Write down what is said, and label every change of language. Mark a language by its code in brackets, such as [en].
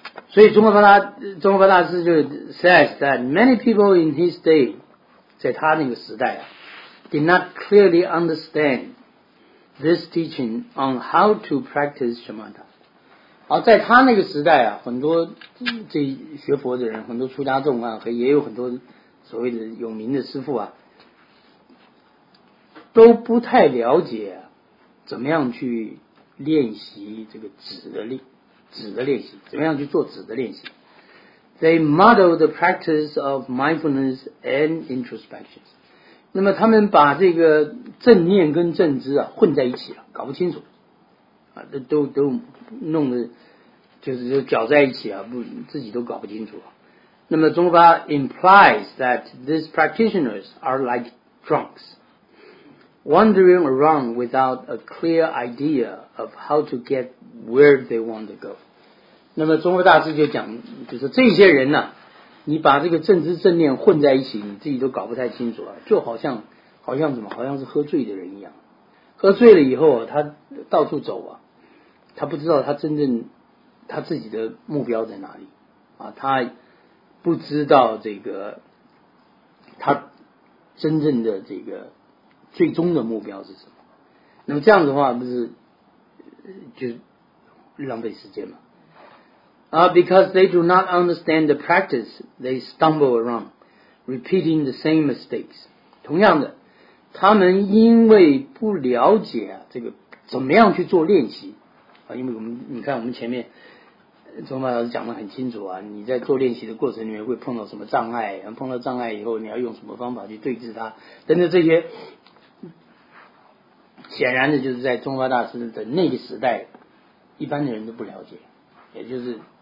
[zh] 所以中国法大师就 [en] says that many people in his day， [zh] 在他那个时代、 [en] did not clearly understand this teaching on how to practice shamatha。 [zh] 好，在他那个时代啊，很多这学佛的人，很多出家众啊，也有很多所谓的有名的师父啊，都不太了解怎么样去练习这个止的练习，怎么样去做止的练习。 [en] They model the practice of mindfulness and introspection。 [zh] 那么他们把这个正念跟正知啊混在一起了，搞不清楚啊，都弄得就是就搅在一起啊，不，自己都搞不清楚。那么中巴 [en] implies that these practitioners are like drunks wandering around without a clear idea of how to get where they want to go。 [zh] 那么中国大师就讲，就是这些人呢、你把这个正知正念混在一起，你自己都搞不太清楚啊，就好像什么，好像是喝醉的人一样，喝醉了以后啊，他到处走啊，他不知道他真正他自己的目标在哪里啊，他不知道这个他真正的这个最终的目标是什么。那么这样的话不是就浪费时间吗？ [en] Because they do not understand the practice, they stumble around, repeating the same mistakes. [zh] 同样的，他们因为不了解啊，这个怎么样去做练习啊？因为我们你看，我们前面中巴老师讲得很清楚啊，你在做练习的过程里面会碰到什么障碍，碰到障碍以后你要用什么方法去对治它，等等这些，显然的就是在中巴大师的那个时代，一般的人都不了解，也就是。